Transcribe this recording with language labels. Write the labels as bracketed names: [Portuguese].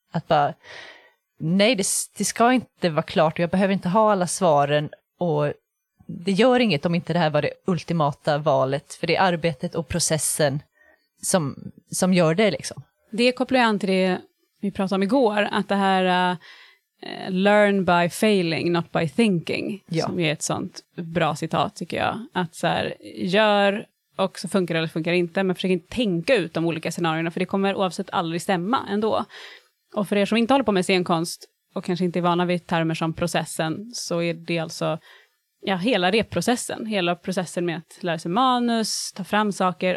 [Swedish] Att bara, nej, det ska inte vara klart. Jag behöver inte ha alla svaren. Och det gör inget om inte det här var det ultimata valet. För det är arbetet och processen som gör det liksom. Det kopplar jag an till det vi pratade om igår. Att det här [English] learn by failing, not by thinking. [Swedish] Ja. Som är ett sånt bra citat tycker jag. Att så här, gör och så funkar det eller funkar det inte. Men försök inte tänka ut de olika scenarierna. För det kommer oavsett aldrig stämma ändå. Och för er som inte håller på med scenkonst. Och kanske inte är vana vid termer som processen. Så är det alltså ja, hela repprocessen. Hela processen med att lära sig manus. Ta fram saker.